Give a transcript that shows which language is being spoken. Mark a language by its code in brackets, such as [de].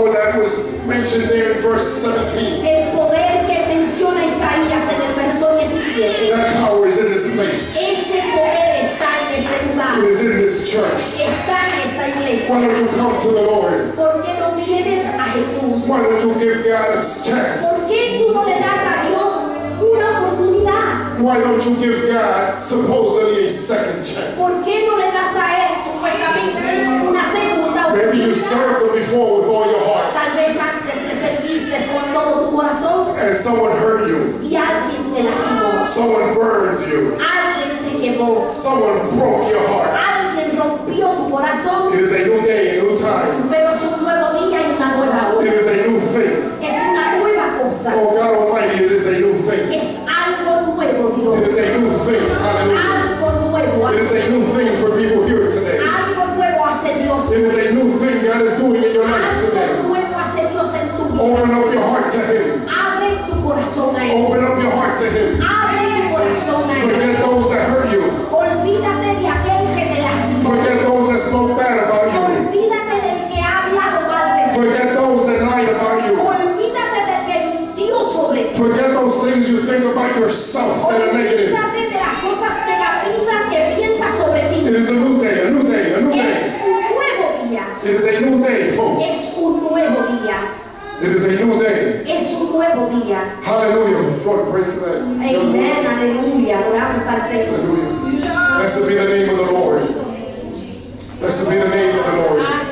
[en] that was mentioned there in verse 17. [es] El poder que menciona Isaías en el verso 17. [en] That power is in this place. [es] Ese poder está en este lugar. [en] It is in this church. [es] Está en esta iglesia. [en] Why don't you come to the Lord? [es] ¿Por qué no vienes a Jesús? [en] Why don't you give God a chance? [es] ¿Por qué tú no le das a Dios una oportunidad? [en] Why don't you give God supposedly a second chance? [es] ¿Por qué no le das a él supuestamente una segunda oportunidad? [en] Maybe you served him before with all your heart. [es] Tal vez antes le serviste con todo tu corazón. [en] And someone hurt you. [es] Y alguien te lastimó. [en] Someone burned you. [es] Alguien te quemó. [en] Someone broke your heart. [es] Alguien rompió tu corazón. [en] It is a new day, a new time. [es] Pero es un nuevo día y una nueva hora. [en] It is a new thing. [es] Es una nueva cosa. [en] Oh God Almighty, it is a new thing. [es] Es algo nuevo, Dios. [en] It is a new thing. Hallelujah. It is a new thing for people here today. [es] Algo nuevo hace Dios. [en] It is a new thing God is doing in your life today. Open up your heart to Him. [es] Abre tu corazón a él. [en] Open up your heart to Him. [es] Abre tu corazón a él. [en] Forget those that hurt you. [es] Olvídate de aquel que te lastimó. [en] Forget those that spoke bad about you. [es] Olvídate del que ha hablado mal de ti. [en] Forget those that lied about you. [es] Olvídate del que mintió sobre ti. [en] Forget those things you think about yourself that are negative. [es] Olvídate de las cosas negativas que piensas sobre ti. [en] It is a new day, a new day, a new day. [es] Es un nuevo día. [en] It is a new day, folks. [es] Es un nuevo día. [en] It is a new day. [es] Es un nuevo día. [en] Hallelujah. Lord, pray for that. [es] Amen. Aleluya. Oramos al Señor. [en] Aleluya. Blessed be the name of the Lord. Blessed be the name of the Lord.